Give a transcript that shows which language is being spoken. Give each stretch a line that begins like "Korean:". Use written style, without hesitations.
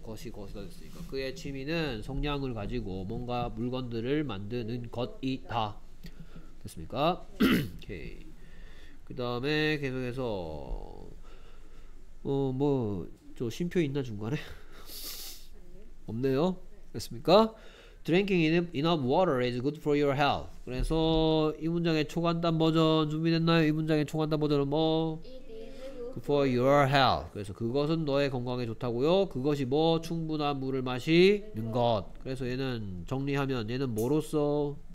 Korean: 것이다 됐으니까 그의 취미는 성냥을 가지고 뭔가 물건들을 만드는 것이다. 됐습니까? 오케이. 그 다음에 계속해서 뭐 저 쉼표 있나 중간에? 없네요. 됐습니까?
English: Drinking enough water is good for your health.
Korean: 그래서 이 문장의 초간단 버전 준비됐나요? 이 문장의 초간단 버전은 뭐?
English: For your health.
Korean: 그래서 그것은 너의 건강에 좋다고요. 그것이 뭐? 충분한 물을 마시는 것. 그래서 얘는 정리하면 얘는 뭐로서?